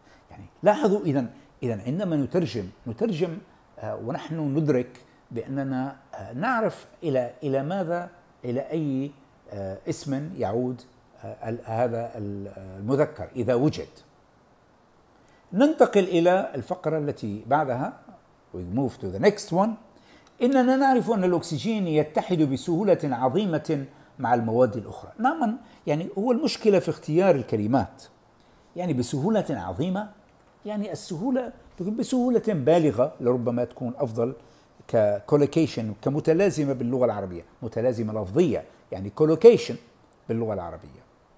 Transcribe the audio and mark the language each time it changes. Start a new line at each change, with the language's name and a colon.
Arabic: يعني لاحظوا إذا عندما نترجم ونحن ندرك بأننا نعرف إلى ماذا، إلى أي اسم يعود هذا المذكر إذا وجد. ننتقل إلى الفقرة التي بعدها،
English: we move to the next one.
Arabic: إننا نعرف أن الأكسجين يتحد بسهولة عظيمة مع المواد الأخرى. نعم، يعني هو المشكلة في اختيار الكلمات، يعني بسهولة عظيمة، يعني السهولة تكون بسهولة بالغة لربما تكون أفضل كcollocation، كمتلازمة باللغة العربية، متلازمة لفظية، يعني collocation باللغة العربية.